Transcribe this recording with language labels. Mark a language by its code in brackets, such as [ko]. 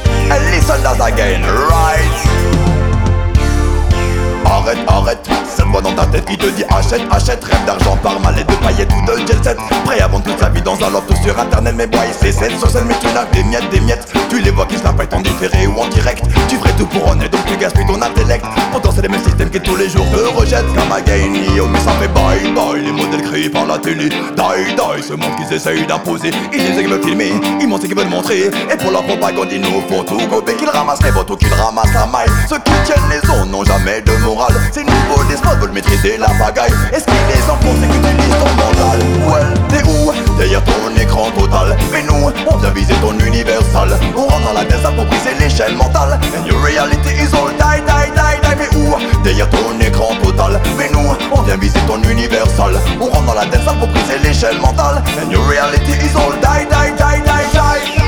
[en] And listen that again, right? [fr] Arrête, arrête, cette voix dans ta tête qui te dit achète, achète. Rêve d'argent par mal et de paillettes ou de jet set. Prêt avant toute sa vie dans un loft ou sur internet. Mais boy, c'est 7 sur 7, mais tu n'as que des miettes, des miettes. Tu les vois qui se la pètent en différé ou en direct. Tu ferais tout pour en être, donc tu gaspilles ton intellect. Pourtant c'est les mêmes systèmes qui tous les jours te rejettent. Comme again, yo, mais ça fait bye, bye. Les modèles créés par la télé, die, die. Ce monde qu'ils essayent d'imposer. Ils disent qu'ils veulent filmer, ils montrent ce qu'ils veulent montrer. Et pour leur propagande, ils nous font tout gober. Qu'ils ramassent les votes ou qu'ils ramassent la maille. Ceux qui tiennent les ondes n'ont jamais de morale. Ces nouveaux despotes veulent maîtriser la pagaille. Est-ce qu'ils les enfoncent et qu'ils utilisent ton mental? Well, t'es où? Derrière ton écran total. Mais nous, on vient viser ton universal. On rentre dans la tête sale pour briser les chaînes mentales. [en] And your reality is all die, die, die, die. [fr] Mais où? Derrière ton écran total. Mais nous, on vient viser ton universal. On rentre dans la tête sale pour briser les chaînes mentales. [en] And your reality is all die, die, die, die, die.